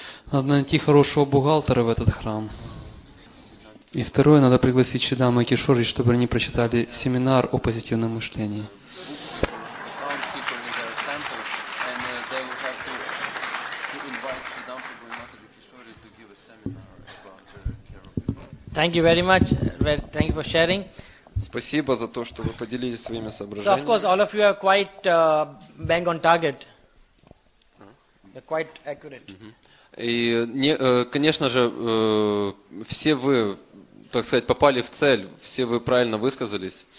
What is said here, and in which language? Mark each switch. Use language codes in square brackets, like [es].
[ru] Надо найти хорошего бухгалтера в этот храм. И второе, надо пригласить Чидамбу и Кишори, чтобы они прочитали семинар о позитивном мышлении. [en] Thank you very much. Thank you for sharing. [ru] Спасибо за то, что вы поделились своими соображениями. [en] So of course, all of you are quite bang on target. You're quite accurate. [ru] И конечно же, все вы, так сказать, попали в цель. Все вы правильно высказались.